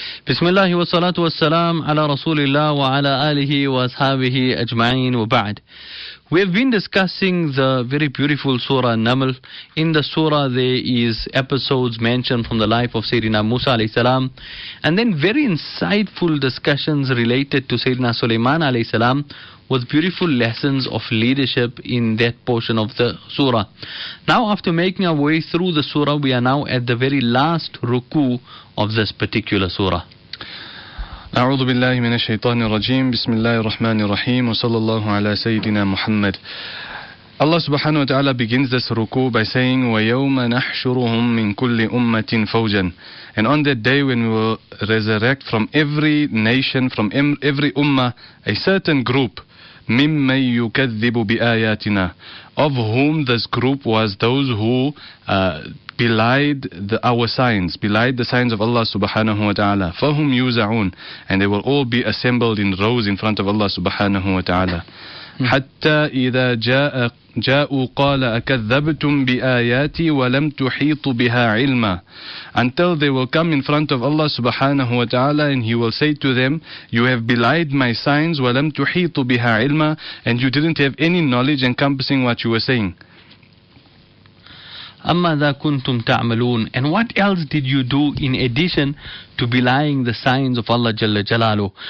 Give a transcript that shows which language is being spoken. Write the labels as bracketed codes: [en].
[ar] بسم الله والصلاة والسلام على رسول الله وعلى آله وأصحابه أجمعين وبعد. [en] We have been discussing the very beautiful Surah Naml. In the Surah, there is episodes mentioned from the life of Sayyidina Musa alayhi salam, and then very insightful discussions related to Sayyidina Sulaiman alayhi salam, with beautiful lessons of leadership in that portion of the Surah. Now, after making our way through the Surah, we are now at the very last ruku of this particular Surah. [ar] أعوذ بالله من الشيطان الرجيم بسم الله الرحمن الرحيم وصلى الله على سيدنا محمد. [en] Allah subhanahu wa ta'ala begins this ruku by saying, [ar] وَيَوْمَ نَحْشُرُهُمْ مِنْ كُلِّ أُمَّةٍ فَوْجًا. [en] And on that day when we will resurrect from every nation, from every ummah, a certain group, [ar] مِمَّنْ يُكَذِّبُ بِآيَاتِنَا, [en] of whom this group was those who belied our signs, belied the signs of Allah subhanahu wa ta'ala. [ar] فَهُمْ يُوزَعُونَ, [en] and they will all be assembled in rows in front of Allah subhanahu wa ta'ala. [ar] حتى إذا جاءوا قال أكذبتم بآياتي ولم تحيطوا بها علما. [en] Until they will come in front of Allah subhanahu wa ta'ala and he will say to them, you have belied my signs, [ar] ولم تحيطوا بها علما, [en] and you didn't have any knowledge encompassing what you were saying. [ar] أما ذا كنتم تعملون, [en] and what else did you do in addition to belying the signs of Allah Jalla Jalalu?